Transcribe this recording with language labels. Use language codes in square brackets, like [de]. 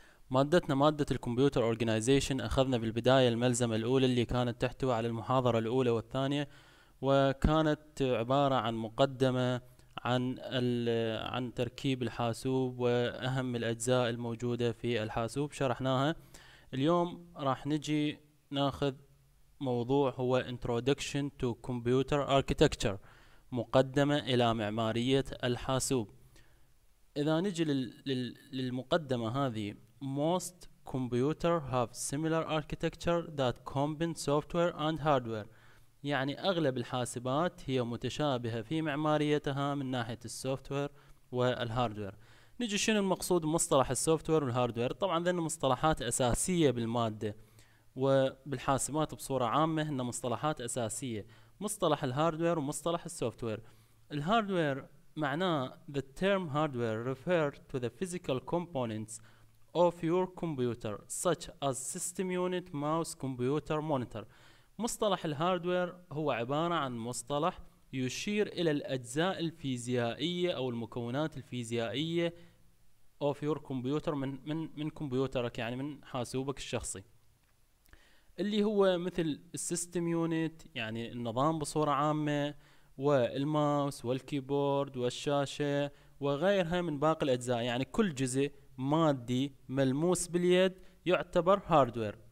[ar] مادتنا مادة الكمبيوتر أورجنايزيشن أخذنا بالبداية الملزمة الأولى اللي كانت تحتوي على المحاضرة الأولى والثانية، وكانت عبارة عن مقدمة عن تركيب الحاسوب وأهم الأجزاء الموجودة في الحاسوب شرحناها. اليوم راح نجي ناخذ موضوع هو [en] Introduction to Computer Architecture، [ar] مقدمة إلى معمارية الحاسوب. إذا نجي للمقدمة هذه، [en] Most computers have similar architecture that combine software and hardware. [ar] يعني أغلب الحاسبات هي متشابهة في معماريتها من ناحية السوفتوير والهاردوير. نجي شنو المقصود مصطلح السوفتوير والهاردوير؟ طبعا ذن مصطلحات أساسية بالمادة وبالحاسبات بصورة عامة، هن مصطلحات أساسية، مصطلح الهاردوير ومصطلح السوفتوير. الهاردوير معناه [en] the term hardware refer to the physical components of your computer such as system unit, mouse, computer, monitor. [ar] مصطلح الهاردوير هو عبارة عن مصطلح يشير إلى الأجزاء الفيزيائية أو المكونات الفيزيائية [en] of your computer، [ar] من كمبيوترك، يعني من حاسوبك الشخصي، اللي هو مثل system unit يعني النظام بصورة عامة، والماوس والكيبورد والشاشة وغيرها من باقي الأجزاء، يعني كل جزء مادي ملموس باليد يعتبر هاردوير.